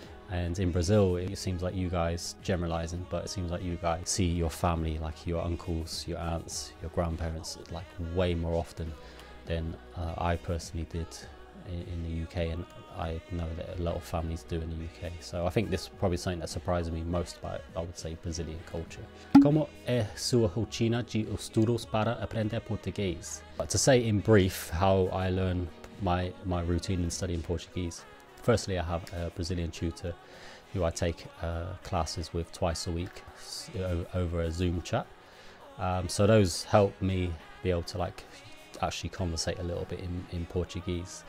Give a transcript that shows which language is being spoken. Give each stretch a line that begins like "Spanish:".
English: And in Brazil, it seems like you guys, generalizing, but it seems like you guys see your family, like your uncles, your aunts, your grandparents, like way more often than I personally did in the UK. And I know that a lot of families do in the UK. So I think this is probably something that surprised me most about, I would say, Brazilian culture.
Portuguese: Como é sua rotina de estudos para aprender português?
English: But to say in brief how I learn my routine in studying Portuguese, firstly, I have a Brazilian tutor who I take classes with twice a week over a Zoom chat. So those help me be able to like actually conversate a little bit in Portuguese.